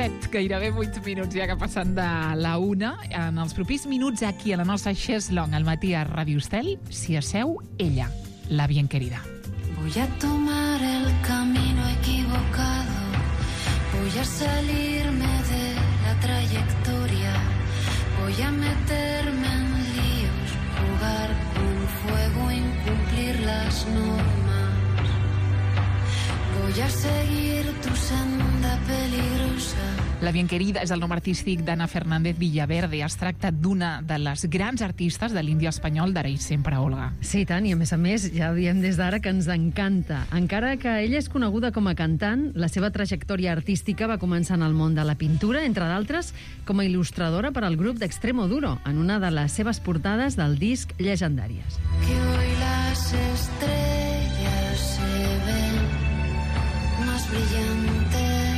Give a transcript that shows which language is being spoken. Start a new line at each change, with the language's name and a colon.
Catalan: Gairebé 8 minuts ja que passen de la una. En els propers minuts aquí a la nostra Xeslong al matí a Ràdio Estel s'hi asseu ella, la bien querida.
Spanish: Voy a tomar el camino equivocado. Voy a salirme de la trayectoria. Voy a meterme en líos. Jugar con fuego, incumplir las normas. Voy a seguir tu senda peligrosa.
Catalan: La Bienquerida és el nom artístic d'Ana Fernández Villaverde. Es tracta d'una de les grans artistes de l'Índia espanyol d'ara i sempre, Olga. Sí, tant, i a més, ja diem des d'ara que ens encanta. Encara que ella és coneguda com a cantant, la seva trajectòria artística va començar en el món de la pintura, entre d'altres, com a il·lustradora per al grup d'Extremo Duro, en una de les seves portades del disc Legendàries.
Spanish: Que hoy las estrellas se ven más brillantes.